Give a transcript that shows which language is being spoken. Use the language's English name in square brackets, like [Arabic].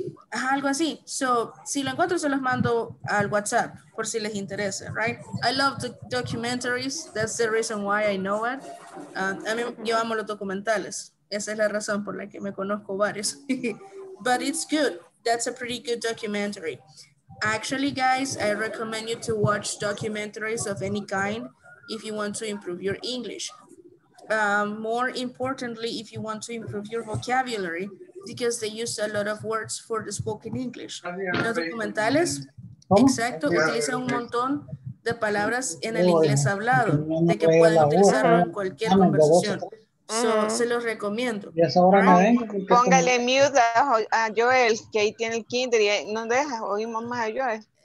[Spanish] algo así. So, si lo encuentro, se los mando al WhatsApp, por si les interesa, [English] right? I love the documentaries. That's the reason why I know it. [Spanish] A mí, yo amo los documentales. Esa es la razón por la que me conozco varios. [English] But it's good. That's a pretty good documentary. Actually, guys, I recommend you to watch documentaries of any kind if you want to improve your English. More importantly, if you want to improve your vocabulary, because they use a lot of words for the spoken English. [Spanish] Los documentales, exacto, utilizan un montón de palabras en el inglés hablado, de que pueden utilizarlo en cualquier conversación. So, se los recomiendo. Y esa hora no es. Póngale mute a Joel, que ahí tiene el kinder y no deja, oímos más a Joel.